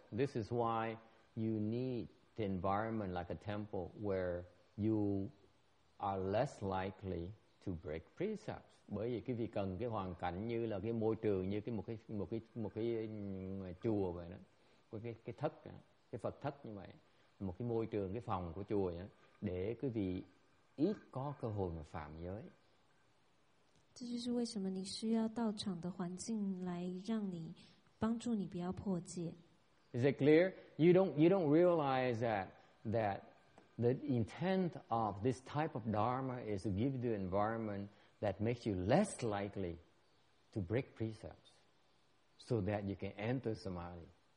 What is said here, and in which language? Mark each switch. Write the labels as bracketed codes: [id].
[en] This is why you need the environment like a temple where you are less likely to break precepts. [vi] Bởi vì quý vị cần cái hoàn cảnh như là cái môi trường như cái một cái chùa vậy đó, cái thất đó, cái Phật thất như vậy, một cái môi trường, cái phòng của chùa đó, để quý vị ít có cơ hội mà phạm giới. [zh] 这就是为什么你需要道场的环境来让你帮助你不要破戒. [en] Is it clear? You don't realize that the intent of this type of dharma is to give you the environment that makes you less likely to break precepts so that you can enter samadhi.